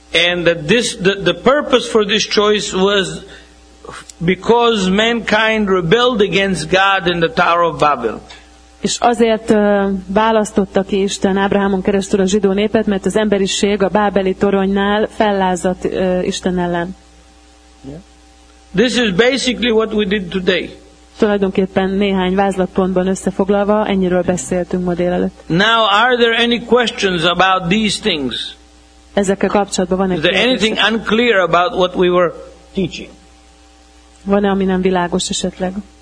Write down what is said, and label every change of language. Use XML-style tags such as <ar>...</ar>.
<en>And that this the purpose for this choice was because mankind rebelled against God in the Tower of Babel.</en> <hu>És azért választotta ki Isten Ábrahámon keresztül a zsidó népet, mert az emberiség a bábeli toronynál fellázadt Isten ellen.</hu> <en>This is basically what we did today.</en> <hu>Tulajdonképpen néhány vázlatpontban összefoglalva, ennyiről beszéltünk ma délelőtt.</hu> <en>Now, are there any questions about these things?</en> <hu>Ezekkel kapcsolatban van egy kérdés.</hu> <en>Is there anything unclear about what we were teaching?</en> <hu>Van-e, ami nem világos esetleg?</hu>